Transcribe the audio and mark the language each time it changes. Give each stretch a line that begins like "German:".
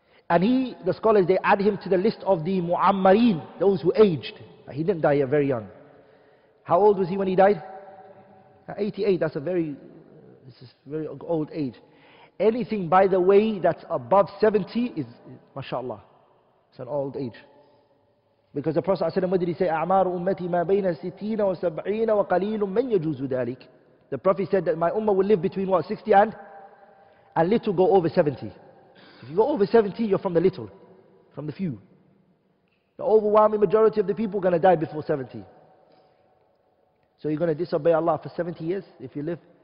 English: And the scholars, they add him to the list of the mu'ammarin, those who aged. He didn't die yet, very young. How old was he when he died? 88, that's a very old age. Anything, by the way, that's above 70 is, mashallah, it's an old age. Because the Prophet ﷺ, what did he say?
Arabic: أعمار أمتي ما بين 60 و 70 وقليل من يجوز ذلك.
English: The Prophet said that my ummah will live between what, 60 and little go over 70. If you go over 70, you're from the little, from the few. The overwhelming majority of the people are going to die before 70. So you're going to disobey Allah for 70 years if you live?